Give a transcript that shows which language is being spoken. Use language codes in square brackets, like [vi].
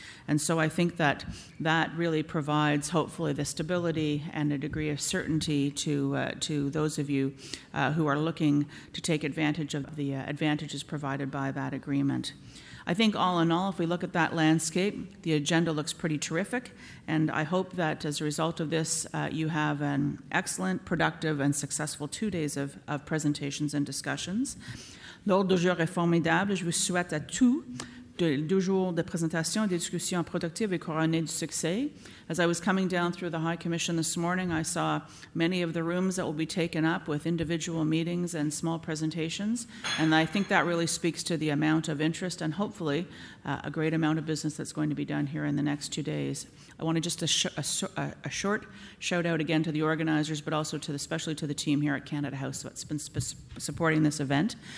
[en] And so I think that that really provides, hopefully, the stability and a degree of certainty to those of you who are looking to take advantage of the advantages provided by that agreement. I think all in all, if we look at that landscape, the agenda looks pretty terrific. And I hope that as a result of this, you have an excellent, productive, and successful 2 days of presentations and discussions. [fr] L'ordre du jour est formidable. Je vous souhaite à tous deux jours de présentation et de discussion productive et couronnée de succès. [en] As I was coming down through the High Commission this morning, I saw many of the rooms that will be taken up with individual meetings and small presentations, and I think that really speaks to the amount of interest and hopefully a great amount of business that's going to be done here in the next 2 days. I want to just a short shout out again to the organizers, but also to especially to the team here at Canada House that's been supporting this event.